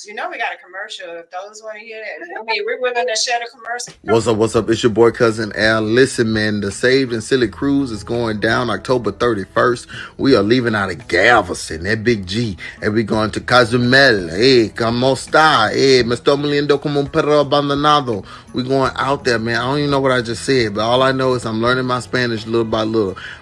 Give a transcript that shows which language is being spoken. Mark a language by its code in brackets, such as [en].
[en] You know we got a commercial. If those want to hear that, I mean, we're willing to share the commercial. What's up? It's your boy, Cousin Al. Listen, man, the Save and Silly Cruise is going down October 31st. We are leaving out of Galveston, that big G, and we're going to Cozumel, hey, [es] como esta? Hey, me estoy moliendo como un perro abandonado. [en] We going out there, man. I don't even know what I just said, but all I know is I'm learning my Spanish little by little.